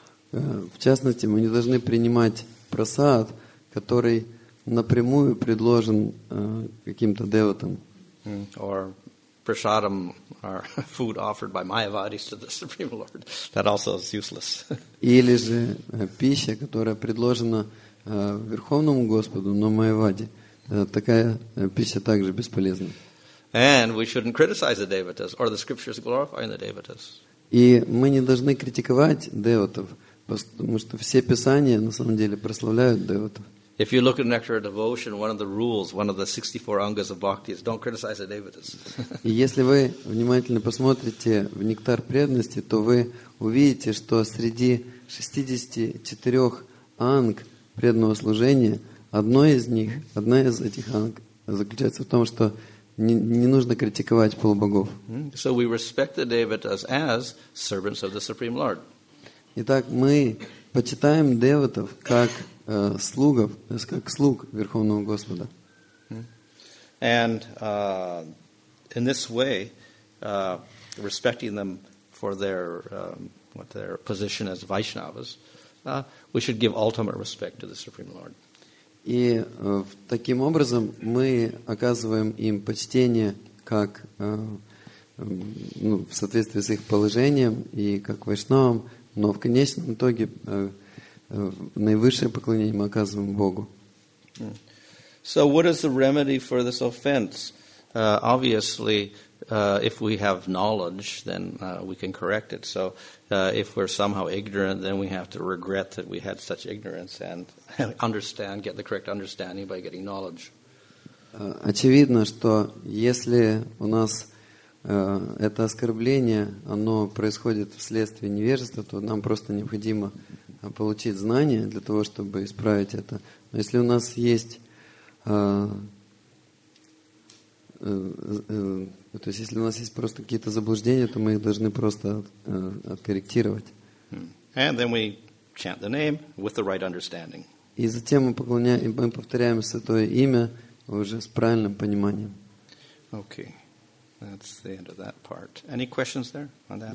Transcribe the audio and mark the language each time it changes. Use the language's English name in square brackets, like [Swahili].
[Russian] В частности, мы не должны принимать прасад, который напрямую предложен каким-то деватам. [English] Prasadam or food offered by Mayavadis to the Supreme Lord. That also is useless. [Russian] Или же пища, которая предложена Верховному Господу, но Майаваде. Такая пища также бесполезна. [English] And we shouldn't criticize the Devatas or the scriptures glorifying the Devatas. [Russian] И мы не должны критиковать Деватов, потому что все писания на самом деле прославляют Деватов. [English] If you look at Nectar of Devotion, one of the rules, one of the 64 angas of bhakti is don't criticize the devatas. [Russian] И если вы внимательно посмотрите в Нектар преданности, то вы увидите, что среди 64 анг преданного служения, одна из этих анг заключается в том, что не нужно критиковать полубогов. [English] So we respect the devatas as servants of the Supreme Lord. [Russian] Итак, мы почитаем деватов как слугов, то есть как слуг Верховного Господа. [English] And in this way, respecting them for their position as Vaishnavas, we should give ultimate respect to the Supreme Lord. [Russian] И таким образом мы оказываем им почтение как в соответствии с их положением и как Вайшнавам, но в конечном итоге наивысшее поклонение мы оказываем Богу. [English] So what is the remedy for this offense? Obviously, if we have knowledge, then we can correct it. So if we're somehow ignorant, then we have to regret that we had such ignorance and understand, get the correct understanding by getting knowledge. [Russian] Очевидно, что если у нас это оскорбление, оно происходит вследствие невежества, то нам просто необходимо получить знания для того, чтобы исправить это. Но если у нас есть То есть, если у нас есть просто какие-то заблуждения, то мы их должны просто откорректировать. [English] And then we chant the name with the right understanding. [Russian] И затем мы повторяем Святое Имя уже с правильным пониманием. [English] Okay. That's the end of that part. Any questions there on that?